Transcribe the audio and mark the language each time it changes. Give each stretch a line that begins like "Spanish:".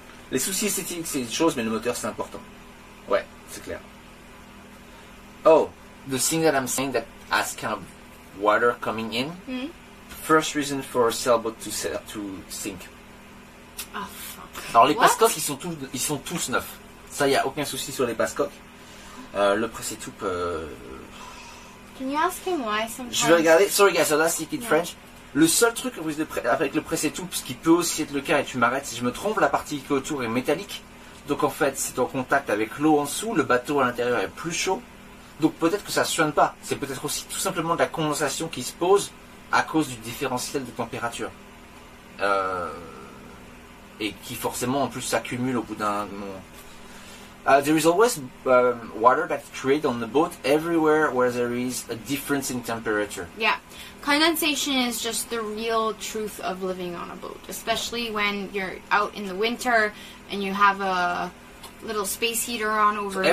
French: Les soucis esthétiques, c'est une chose, mais le moteur, c'est important. Ouais, c'est clair.
English: Oh, the thing that I'm saying that has kind of water coming in. First reason for a sailboat to sink. Oh, fuck.
French: Alors, les pascoques, ils sont tous neufs. Ça, il n'y a aucun souci sur les pascoques. Le presse-étoupe.
English: Can you ask him why sometimes?
French: Je vais regarder.
English: Sorry, guys, so that's in French.
French: Le seul truc avec le presse-étoupe, ce qui peut aussi être le cas, et tu m'arrêtes si je me trompe, la partie qui est autour est métallique. Donc en fait, c'est en contact avec l'eau en dessous, le bateau à l'intérieur est plus chaud. Donc peut-être que ça ne suinte pas. C'est peut-être aussi tout simplement de la condensation qui se pose à cause du différentiel de température. Et qui forcément en plus s'accumule au bout d'un moment.
English: There is always water that's created on the boat everywhere where there is a difference in temperature. Yeah. Condensation is just the real truth of living on a boat, especially when you're out in the winter and you have a little space heater on overnight.